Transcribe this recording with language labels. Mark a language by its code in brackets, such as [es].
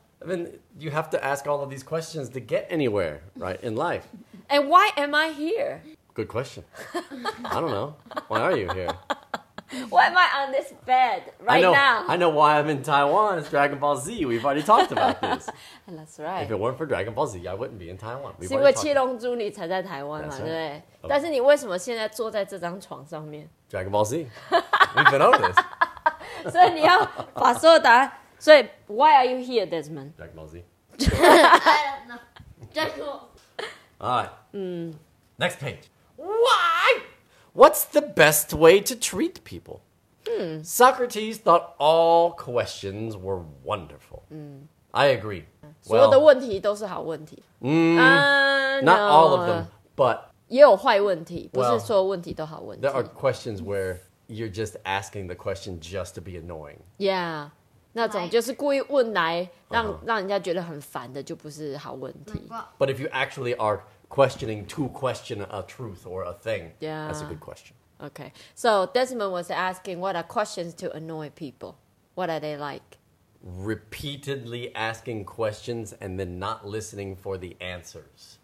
[en] I mean, you have to ask all of these questions to get anywhere, right, in life. And why am I here? Good question. I don't know. Why are you here? Why am I on this bed right now? I know why I'm in Taiwan. It's Dragon Ball Z. We've already talked about this. That's right. If it weren't for Dragon Ball Z, I wouldn't be in Taiwan. We've already talked about this. [zh] 因为七龙珠你才在台湾嘛，对不对？但是你为什么现在坐在这张床上面？ [en] Dragon Ball Z. We've been on this. [zh] 所以你要把所有答案。所以 [en] why are you here, Desmond? Dragon Ball Z. I don't know. Dragon Ball. All right. Next page. Why? What's the best way to treat people? Socrates thought all questions were wonderful. I agree. Well, [zh] 所有的问题都是好问题. [en] Not no, all of them, but... [zh] 也有坏问题,不是所有问题都好问题. [en] Well, there are questions where you're just asking the question just to be annoying. Yeah. [zh] 那种就是故意问来,让人家觉得很烦的,就不是好问题. [en] But if you actually are... questioning to question a truth or a thing. Yeah. That's a good question. Okay. So Desmond was asking, what are questions to annoy people? What are they like? Repeatedly asking questions and then not listening for the answers.